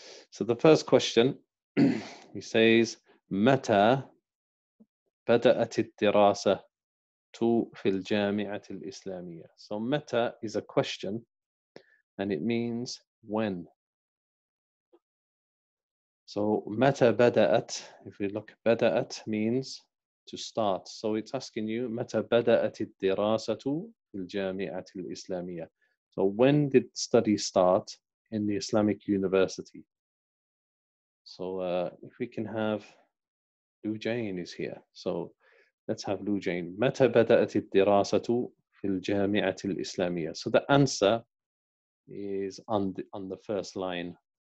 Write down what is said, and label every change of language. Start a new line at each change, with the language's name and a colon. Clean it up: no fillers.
English: So the first question, he says,
Arabic: متى بدأت الدراسة في الجامعة الإسلامية.
English: So متى is a question, and it means when. So
Arabic: متى بدأت,
English: if we look, بدأت means to start. So it's asking you,
Arabic: متى بدأت الدراسة في الجامعة الإسلامية.
English: So when did study start in the Islamic University? So if we can have Lu Jane is here. So let's have Lu Jane.
Arabic: متى بدأت الدراسة في الجامعة الإسلامية.
English: So the answer is on the first line.